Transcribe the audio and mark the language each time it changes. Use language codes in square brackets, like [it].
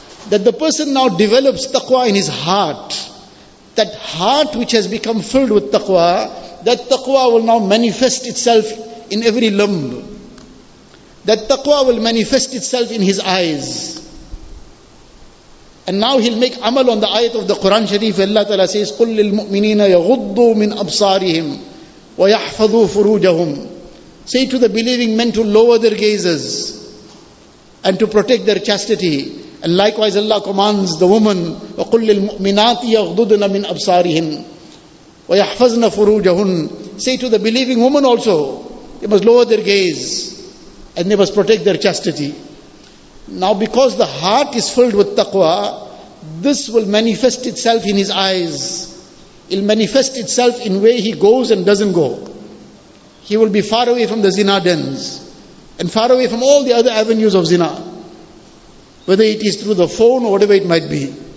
[en] That the person now develops taqwa in his heart. That heart which has become filled with taqwa, that taqwa will now manifest itself in every limb. That taqwa will manifest itself in his eyes. And now he'll make amal on the ayat of the Quran Sharif. Allah Ta'ala says, [ar] قُلْ لِلْمُؤْمِنِينَ يَغُضُّوا مِنْ أَبْصَارِهِمْ وَيَحْفَظُوا فُرُوجَهُمْ. [en] Say to the believing men to lower their gazes and to protect their chastity. And likewise Allah commands the woman, [ar] وَقُلْ لِلْمُؤْمِنَاتِ يَغْضُضْنَ مِنْ أَبْصَارِهِمْ وَيَحْفَظْنَ فُرُوجَهُمْ. [en] Say to the believing woman also, they must lower their gaze and they must protect their chastity. Now because the heart is filled with taqwa, this will manifest itself in his eyes. It'll manifest itself in where he goes and doesn't go. He will be far away from the zina dens and far away from all the other avenues of zina, whether it is through the phone or whatever it might be.